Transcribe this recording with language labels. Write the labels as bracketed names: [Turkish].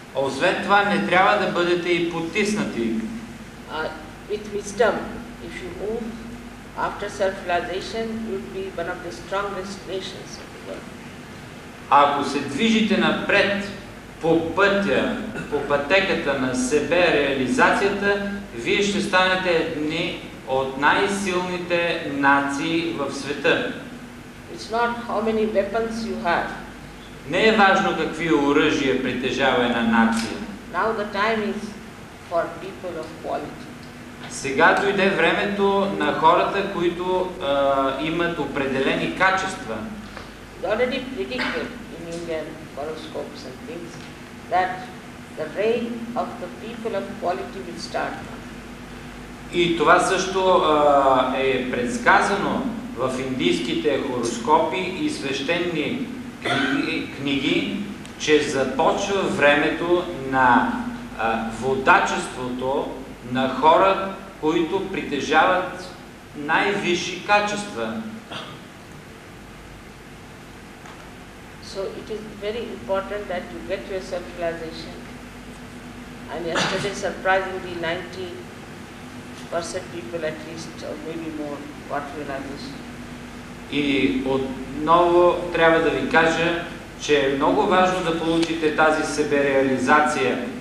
[Bulgarian] Освен това, не трябва да бъдете и потиснати. [English] With wisdom, if you move after self-realization, you'd be one of the strongest nations of the world. [Bulgarian] Ако се движите напред по пътя, по пътеката на себе реализацията, вие ще станете едни от най-силните нации в света. [English] It's not how many weapons you have. [Bulgarian] Не е важно какви оръжия притежава една нация. [English] Now the time is for people of quality. [Bulgarian] Сега дойде времето на хората, които имат определени качества. [English] Already predicted in Indian horoscopes and things that the reign of the people of quality will start now. [Bulgarian] И това също е предсказано в индийските хороскопи и свещени книги, че започва времето на водачеството на хора, които притежават най-висши качества. [English] So it is very important that you get your self-realization. And yesterday, surprisingly, 90% people at least, or maybe more, got realization. [Bulgarian] И отново трябва да ви кажа, че е много важно да получите тази себереализация.